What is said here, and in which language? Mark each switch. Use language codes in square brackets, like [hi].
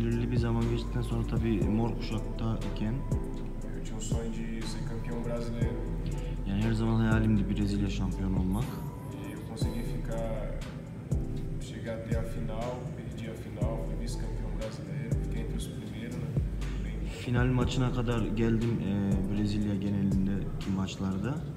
[tr] bir zaman geçtikten sonra tabii mor kuşakta iken. Çok sonucu ise kampiyon Brezilya. Yani her zaman hayalimdi Brezilya şampiyon olmak. [pt] Consegui ficar, chegar até a final, perdi a final, fui vice-campeão brasileiro, fiquei entre os primeiros, né? [tr] Final maçına kadar geldim Brezilya genelindeki maçlarda.